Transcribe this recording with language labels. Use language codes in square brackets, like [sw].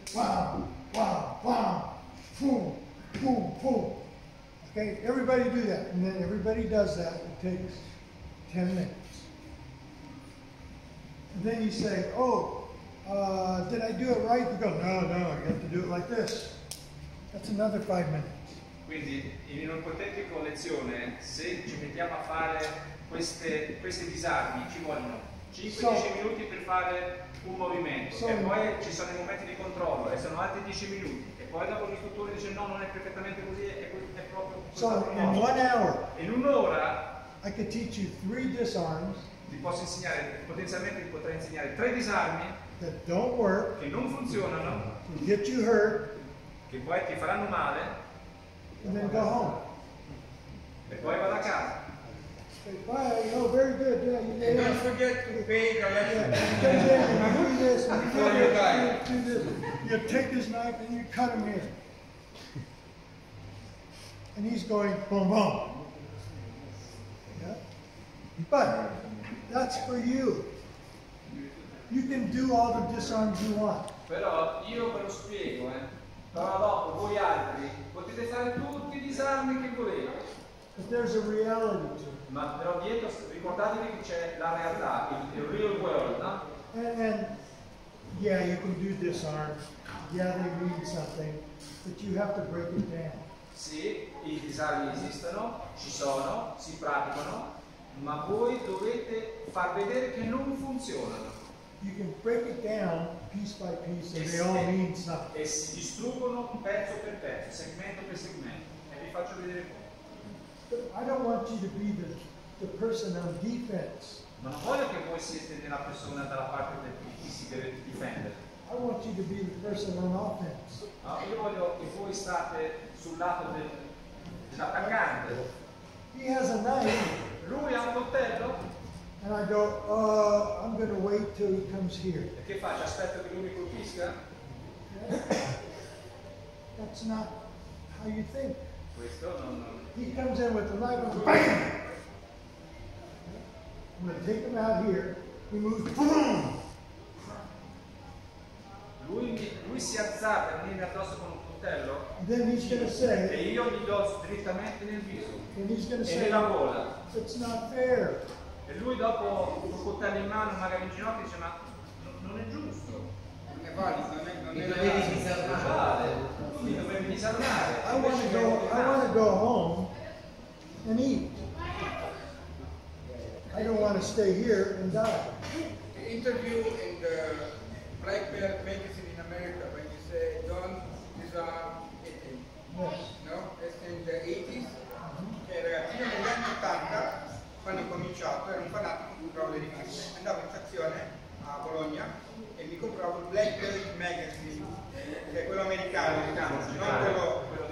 [en] Wow, wow, wow, boom, boom, boom. Okay, everybody do that. And then everybody does that. It takes 10 minutes. And then you say, did I do it right? You go, no, I have to do it like this. That's another 5 minutes. [it] Quindi, in un'ipotetica lezione, se ci mettiamo a fare questi disarmi ci vogliono 5-10 minuti per fare un movimento, e poi ci sono i momenti di controllo e sono altri 10 minuti, e poi dopo l'istruttore dice no, non è perfettamente così, è proprio [en] so in, one hour, [it] in un'ora [en] I could teach you 3 disarms, [it] ti posso insegnare, potenzialmente ti potrei insegnare 3 disarmi [en] that don't work, [it] che non funzionano, [en] get you hurt, [it] che poi ti faranno male, [en] and then go home. [it] E poi vado a casa. [en] Bye, no, very good. Yeah, you did. Don't forget to pay the lesson. Yeah. You do this, and you do this, you do this. You take this knife and you cut him in. And he's going boom boom. Yeah? But that's for you. You can do all the disarms you want. [it] Però io ve lo spiego, eh. Però dopo voi altri potete fare tutti i disarmi che volete. [en] But there's a reality to it. [it] Ma però dietro ricordatevi che c'è la realtà, il [en] real world, [it] no? [en] And yeah, you can do disarms. Yeah, they mean something, but you have to break it down. [it] Sì, i disarmi esistono, ci sono, si praticano, ma voi dovete far vedere che non funzionano. [en] You can break it down piece by piece and they all mean something. [it] E si distruggono pezzo per pezzo, segmento per segmento. E vi faccio vedere come. [en] But I don't want you to be the person on defense. [it] Ma non voglio che voi siete nella persona dalla parte di chi si deve difendere. [en] I want you to be the person on offense. [it] Ma io voglio che voi state sul lato dell'attaccante. [en] He has a knife. [it] Lui ha un coltello. [en] And I go, I'm going to wait till he comes here. [it] E che faccio? Aspetto che lui mi colpisca? [en] That's not how you think. [it] Questo non. [en] He comes in with the knife and bam! I'm going to take him out here. He moves, boom! [it] Lui si azzarda e viene addosso con un coltello. [en] Then he's going to say. [it] E io gli do direttamente nel viso. [en] And he's going to say. [it] E nella gola. [en] It's not fair. [it] E lui dopo un coltello in mano, magari in ginocchio, dice ma non è giusto. Non è valido, non è disarmare. Non vale. Mi dovevi disarmare. [en] I want to go home and eat. I don't want to stay here and die. Interview in the Blackbear Medicine in America when you say don't disarm eating. Yes. No? It's in the 80s. [it] Era fino agli anni 80, quando ho cominciato, ero un fanatico di controllo di rivista. Andavo in stazione a Bologna e mi compravo il Blackbear Magazine, che è quello americano, diciamo, non quello.